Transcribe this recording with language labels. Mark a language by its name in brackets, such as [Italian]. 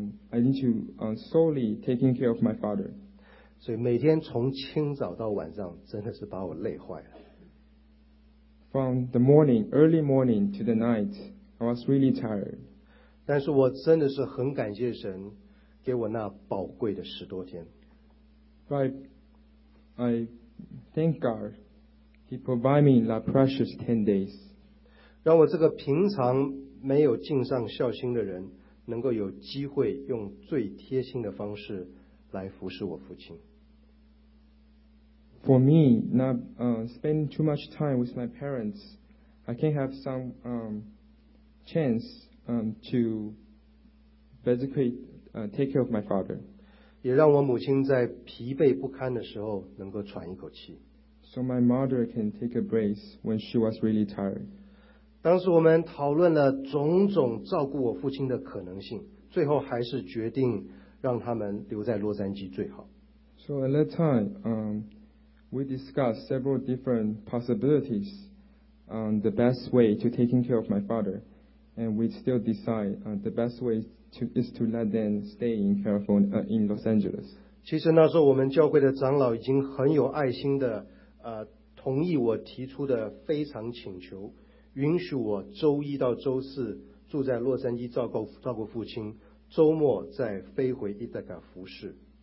[English] I need to solely taking care of my father. [Chinese] 所以每天从清早到晚上，真的是把我累坏了。 [English] From the morning, early morning to the night, I was really tired. [Chinese] 但是我真的是很感谢神，给我那宝贵的十多天。 [English] I thank God, He provided me that precious 10 days. [Chinese] 让我这个平常没有尽上孝心的人，能够有机会用最贴心的方式来服侍我父亲。 [English] For me, not spending too much time with my parents, I can have some chance to basically take care of my father. [Chinese] 也让我母亲在疲惫不堪的时候能够喘一口气。 [English] So my mother can take a break when she was really tired. [Chinese] 当时我们讨论了种种照顾我父亲的可能性，最后还是决定让他们留在洛杉矶最好。 [English] So at that time, we discussed several different possibilities on the best way to taking care of my father, and we still decide the best way is to let them stay in California, in Los Angeles. [Chinese] 其实那时候我们教会的长老已经很有爱心的同意我提出的非常请求，允许我周一到周四住在洛杉矶照顾父亲，周末再飞回伊德卡服侍。